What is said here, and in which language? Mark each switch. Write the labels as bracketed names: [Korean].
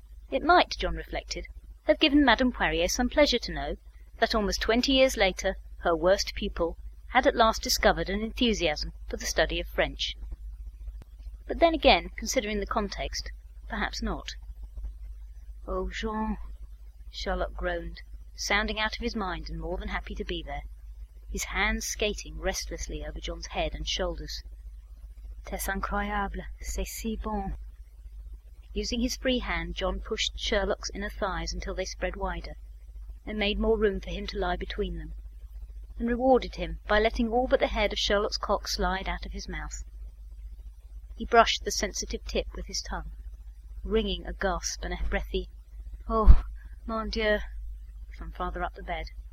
[English] It might, John reflected, have given Madame Poirier some pleasure to know that almost 20 years later her worst pupil had at last discovered an enthusiasm for the study of French. But then again, considering the context, perhaps not. "Oh, Jean," Charlotte groaned, sounding out of his mind and more than happy to be there, his hands skating restlessly over John's head and shoulders. [French] "C'est incroyable, c'est si bon." [English] Using his free hand, John pushed Sherlock's inner thighs until they spread wider, and made more room for him to lie between them, and rewarded him by letting all but the head of Sherlock's cock slide out of his mouth. He brushed the sensitive tip with his tongue, wringing a gasp and a breathy, [French] "Oh, mon Dieu," [English] from farther up the bed.